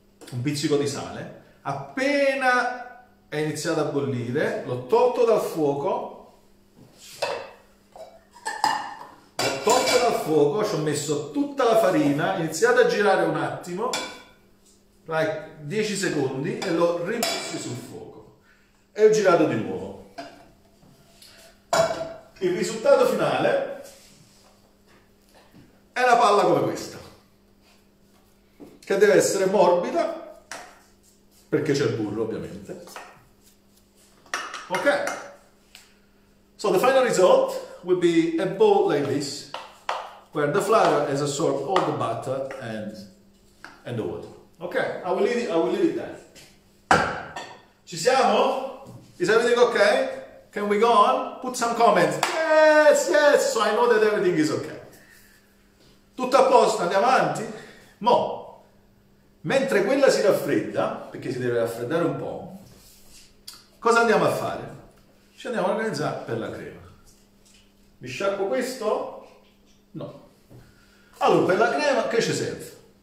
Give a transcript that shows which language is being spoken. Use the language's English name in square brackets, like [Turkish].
[Italian] Un pizzico di sale, appena è iniziato a bollire, l'ho tolto dal fuoco, ci ho messo tutta la farina, iniziato a girare un attimo, like 10 secondi, e l'ho rimesso sul fuoco, e ho girato di nuovo. Il risultato finale è una palla come questa, che deve essere morbida, perché c'è il burro, ovviamente. Ok. [English] So the final result will be a bowl like this, where the flour has absorbed all the butter and the water. Ok, I will leave it there. [Italian] Ci siamo? [English] Is everything okay? Can we go on? Put some comments. Yes, yes, so I know that everything is okay. [Italian] Tutto a posto, andiamo avanti? Mo. Mentre quella si raffredda, perché si deve raffreddare un po', cosa andiamo a fare? Ci andiamo a organizzare per la crema. Mi sciacquo questo? No. Allora, per la crema che ci serve?